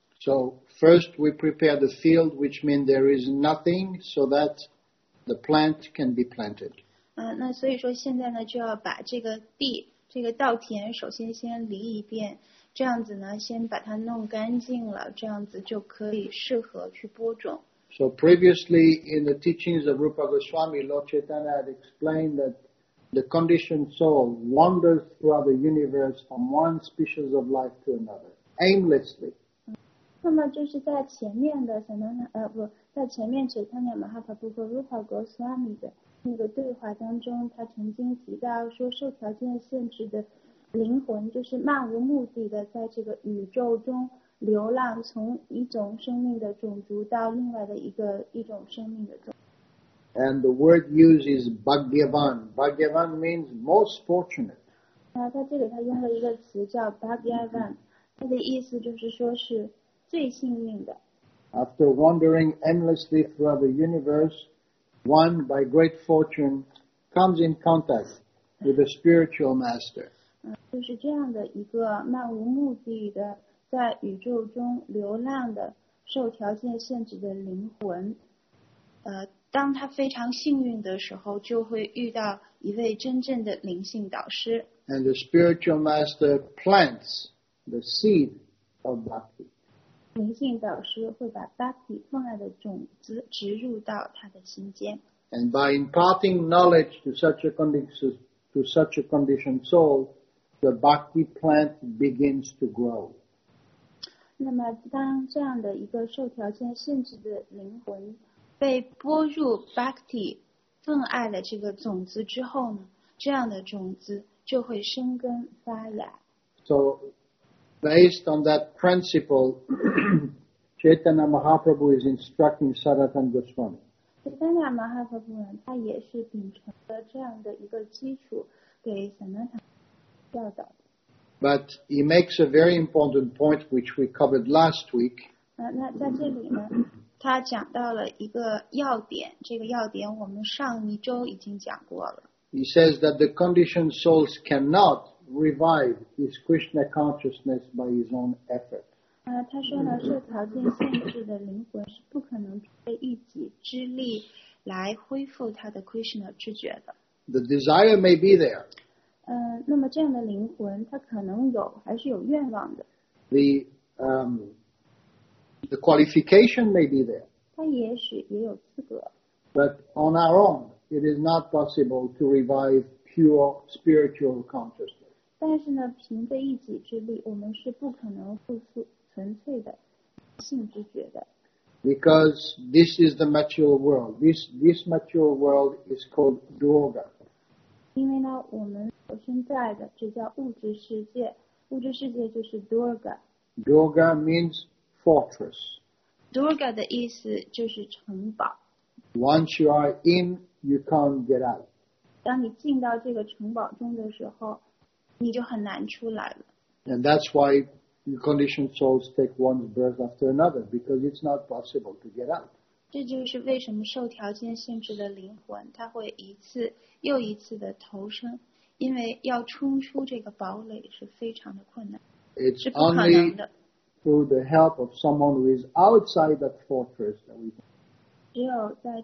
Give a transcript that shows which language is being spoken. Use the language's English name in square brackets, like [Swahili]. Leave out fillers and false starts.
[English] So first we prepare the field, which means there is nothing, so that the plant can be planted. [Chinese] 那所以说现在呢，就要把这个地，这个稻田，首先先犁一遍。这样子呢，先把它弄干净了，这样子就可以适合去播种。 [English] So previously in the teachings of Rupa Goswami, Lord Chaitanya had explained that the conditioned soul wanders throughout the universe from one species of life to another, aimlessly. [Chinese] 那么就是在前面的什么呢？在前面 Chaitanya Mahaprabhu 和 Rupa Goswami 的那个对话当中，他曾经提到说，受条件限制的。灵魂就是漫无目的的在这个宇宙中流浪，从一种生命的种族到另外的一种生命的种族。 [English] And the word used is bhagyavan. Bhagyavan means most fortunate. [Chinese] 他这里他用了一个词叫 bhagyavan， 他的意思就是说是最幸运的。 [English] After wandering endlessly throughout the universe, one by great fortune comes in contact with a spiritual master. [Chinese] 就是这样的一个漫无目的的在宇宙中流浪的受条件限制的灵魂，当他非常幸运的时候，就会遇到一位真正的灵性导师。 [English] And the spiritual master plants the seed of bhakti. [Chinese] 灵性导师会把 bhakti 奉爱的种子植入到他的心间。 [English] And by imparting knowledge to such a conditioned soul. The bhakti plant begins to grow. [Chinese] 那么当这样的一个受条件限制的灵魂被播入 bhakti 奉爱的这个种子之后呢，这样的种子就会生根发芽。 [English] So, based on that principle, Chaitanya Mahaprabhu is instructing Sanatan Goswami. Chaitanya Mahaprabhu, he is also instructing Sanatana Goswami. But he makes a very important point which we covered last week. [Chinese] 那在这里呢, 他讲到了一个要点, 这个要点我们上一周已经讲过了。 [English] He says that the conditioned souls cannot revive his Krishna consciousness by his own effort. [Chinese] 他说呢, 受条件限制的灵魂是不可能被一己之力来恢复他的Krishna知觉的。 [English] The desire may be there. [Chinese] 那么这样的灵魂, 他可能有, 还是有愿望的。 [English] The qualification may be there. [Chinese] 他也许也有资格。 [English] But on our own, it is not possible to revive pure spiritual consciousness. [Chinese] 但是呢, 凭着一己之力, 我们是不可能复苏纯粹的性知觉的。 [English] Because this is the material world. This material world is called Dwarga. [Chinese] 因为呢, 我们现在的, 这叫物质世界, 物质世界就是Durga。 [English] Durga means fortress. [Chinese] Durga的意思就是城堡。 [English] Once you are in, you can't get out. [Chinese] 当你进到这个城堡中的时候, 你就很难出来了。 [English] And that's why conditioned souls take one breath after another, because it's not possible to get out. [Chinese] 这就是为什么受条件限制的灵魂, 它会一次又一次的投生, 因为要冲出这个堡垒是非常的困难, 是不可能的。 [English] It's only through the help of someone who is outside that fortress that we can.